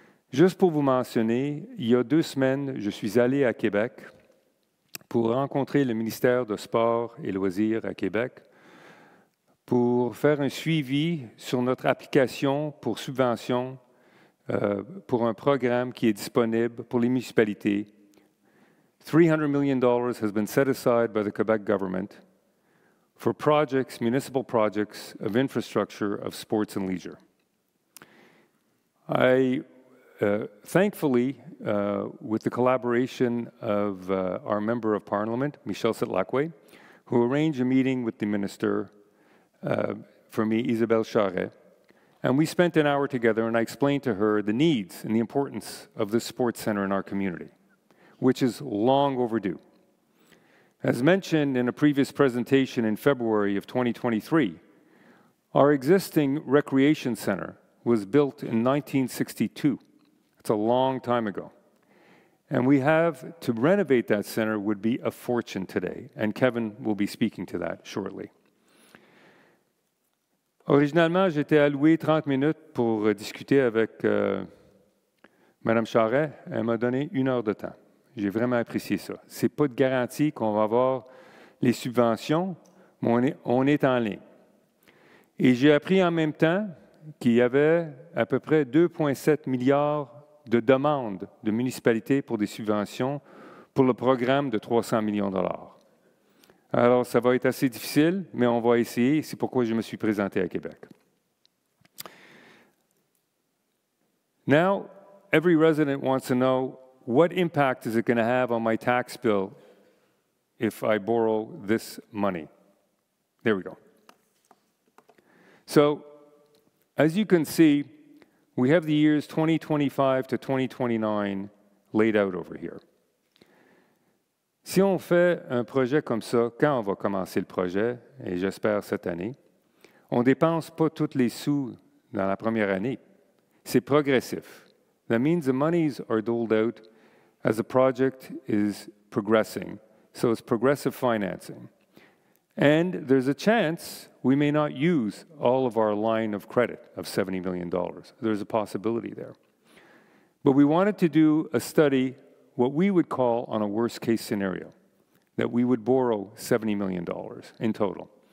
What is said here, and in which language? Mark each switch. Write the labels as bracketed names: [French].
[French] Juste pour vous mentionner, il y a 2 semaines, je suis allé à Québec pour rencontrer le ministère de Sport et Loisirs à Québec pour faire un suivi sur notre application pour subvention pour un programme qui est disponible pour les municipalités. [English] $300 million has been set aside by the Quebec government for projects, municipal projects of infrastructure of sports and leisure. With the collaboration of our Member of Parliament, Michel Sitlakwe, who arranged a meeting with the Minister, for me, Isabelle Charest, and we spent an hour together and I explained to her the needs and the importance of this sports center in our community, which is long overdue. As mentioned in a previous presentation in February of 2023, our existing recreation center was built in 1962. It's a long time ago. And we have to renovate that center would be a fortune today, and Kevin will be speaking to that shortly. [French] Originalement, j'étais alloué 30 minutes pour discuter avec Madame Charest. Elle m'a donné une heure de temps. J'ai vraiment apprécié ça. C'est pas de garantie qu'on va avoir les subventions, mais on est en ligne. Et j'ai appris en même temps qu'il y avait à peu près 2,7 milliards de demandes de municipalités pour des subventions pour le programme de 300 millions de dollars. Alors, ça va être assez difficile, mais on va essayer. C'est pourquoi je me suis présenté à Québec. [English] Now, every resident wants to know, what impact is it going to have on my tax bill if I borrow this money? There we go. So, as you can see, we have the years 2025 to 2029 laid out over here. [French] Si on fait un projet comme ça, quand on va commencer le projet, et j'espère cette année, on ne dépense pas tous les sous dans la première année. C'est progressif. [English] That means the monies are doled out as the project is progressing. So it's progressive financing. And there's a chance we may not use all of our line of credit of $70 million. There's a possibility there. But we wanted to do a study, what we would call on a worst case scenario, that we would borrow $70 million in total.